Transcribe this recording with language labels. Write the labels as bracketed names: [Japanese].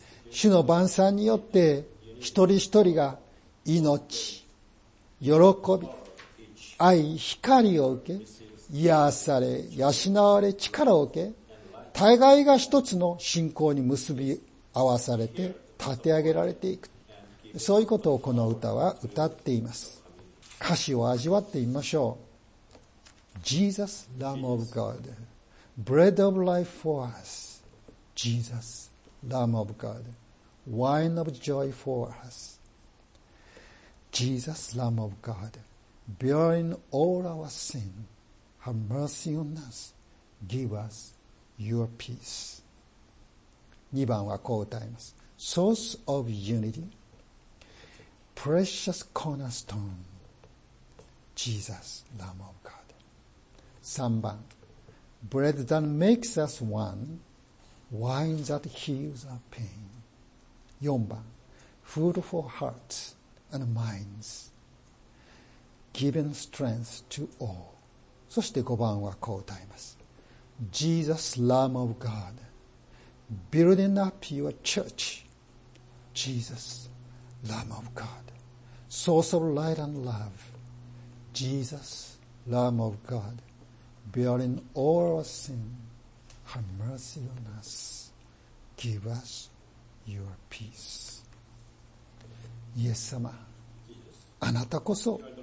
[Japanese] 主の晩餐によって一人一人が命、喜び、愛、光を受け、癒され、養われ、力を受け、互いが一つの信仰に結び合わされて立て上げられていく。そういうことをこの歌は歌っています。歌詞を味わってみましょう。 [English] Jesus, Lamb of God, Bread of life for us. Jesus, Lamb of God, Wine of joy for us. Jesus, Lamb of God, Bearing all our sin. Have mercy on us. Give us your peace. [Japanese] 2番はこう歌います。 [English] Source of unity. Precious cornerstone. Jesus, Lamb of God. 3番。 Bread that makes us one. Wine that heals our pain. [Japanese] 4番。 [English] Food for hearts and minds. Giving strength to all. [Japanese] そして5番はこう歌います。 [English] Jesus, Lamb of God, building up your church.Jesus, Lamb of God, source of light and love.Jesus, Lamb of God, bearing all our sin.Have mercy on us.Give us your peace. [Japanese] イエス様、あなたこそ